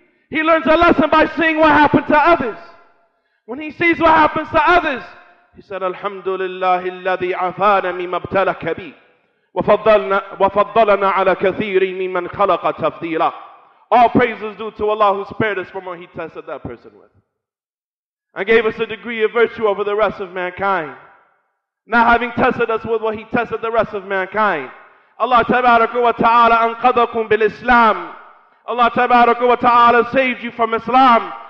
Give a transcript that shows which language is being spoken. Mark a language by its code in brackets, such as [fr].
[en] He learns a lesson by seeing what happened to others. When he sees what happens to others, he said, [ar] Alhamdulillah, الذي عفانا مما ابتلك بي وفضلنا على كثير ممن خلق تفضيلا. [en] All praises due to Allah who spared us from what he tested that person with, and gave us a degree of virtue over the rest of mankind. Now having tested us with what he tested the rest of mankind, Allah tabaraka wa ta'ala [ar] anqadhakum bil Islam. [en] Allah tabaraka wa ta'ala saved you from Islam.